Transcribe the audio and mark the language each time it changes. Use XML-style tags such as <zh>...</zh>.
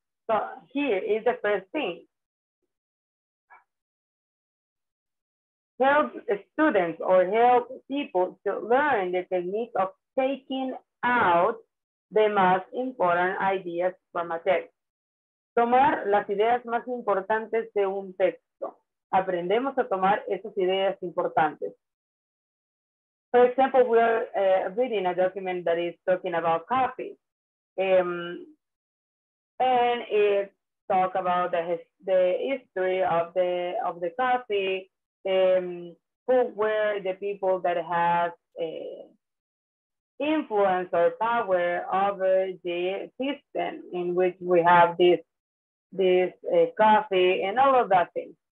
<en>So here is the first thing. Help students or help people to learn the technique of taking out the most important ideas from a text.</en> <es>Tomar las ideas más importantes de un texto. Aprendemos a tomar esas ideas importantes.</es> <en>For example, we are reading a document that is talking about coffee. And it talk about the history of the coffee, who were the people that had influence or power over the system in which we have this coffee and all of that thing.</en>